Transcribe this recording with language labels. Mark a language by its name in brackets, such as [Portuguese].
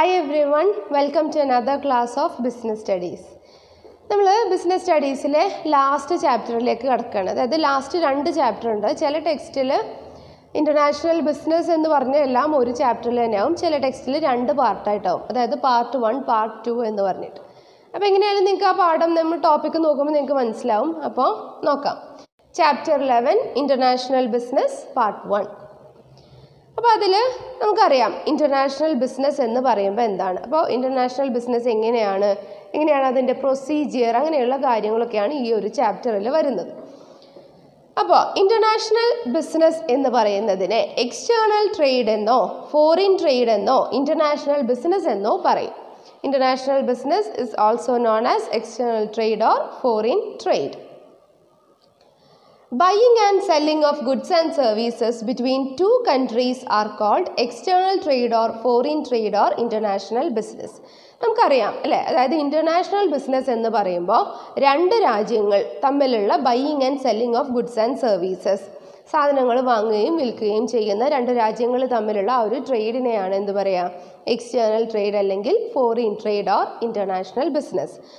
[English] everyone, welcome to another class of business studies. [Malayalam] നമ്മൾ business സ്റ്റഡീസിലെ last ചാപ്റ്ററിലേക്ക് കടക്കുകയാണ്. അതായത് last രണ്ട് ചാപ്റ്റർ ഉണ്ട്. ചില ടെക്സ്റ്റിൽ ഇൻ്റർനാഷണൽ ബിസിനസ് എന്ന് പറഞ്ഞെല്ലാം ഒരു ചാപ്റ്ററിൽ തന്നെയാവും, ചില ടെക്സ്റ്റിൽ രണ്ട് പാർട്ടായിട്ടാവും. അതായത് പാർട്ട് വൺ പാർട്ട് ടു എന്ന് പറഞ്ഞിട്ട്. അപ്പോൾ എങ്ങനെയാലും നിങ്ങൾക്ക് ആ പാഠം നമ്മൾ ടോപ്പിക്ക് നോക്കുമ്പോൾ നിങ്ങൾക്ക് മനസ്സിലാവും. അപ്പോൾ നോക്കാം, chapter 11 international business part one. അപ്പോൾ അതിൽ നമുക്കറിയാം ഇൻ്റർനാഷണൽ ബിസിനസ് എന്ന് പറയുമ്പോൾ എന്താണ്. അപ്പോൾ ഇൻ്റർനാഷണൽ ബിസിനസ് എങ്ങനെയാണ്, എങ്ങനെയാണ് അതിൻ്റെ പ്രൊസീജിയർ, അങ്ങനെയുള്ള കാര്യങ്ങളൊക്കെയാണ് ഈ ഒരു ചാപ്റ്ററിൽ വരുന്നത്. അപ്പോൾ ഇൻ്റർനാഷണൽ ബിസിനസ് എന്ന് പറയുന്നതിനെ എക്സ്റ്റേണൽ ട്രേഡ് എന്നോ ഫോറിൻ ട്രേഡ് എന്നോ ഇൻ്റർനാഷണൽ ബിസിനസ് എന്നോ പറയും. [English] International business is also known as external trade or foreign trade. Buying and selling of goods and services between two countries are called external trade or foreign trade or international business. [Malayalam] നമുക്കറിയാം അല്ലേ, അതായത് international business എന്ന് പറയുമ്പോൾ രണ്ട് രാജ്യങ്ങൾ തമ്മിലുള്ള [English] buying and selling of goods and services, [Malayalam] സാധനങ്ങൾ വാങ്ങുകയും വിൽക്കുകയും ചെയ്യുന്ന രണ്ട് രാജ്യങ്ങൾ തമ്മിലുള്ള ആ ഒരു ട്രേഡിനെയാണ് എന്ത് പറയുക, എക്സ്റ്റേണൽ ട്രേഡ് അല്ലെങ്കിൽ foreign trade or international business.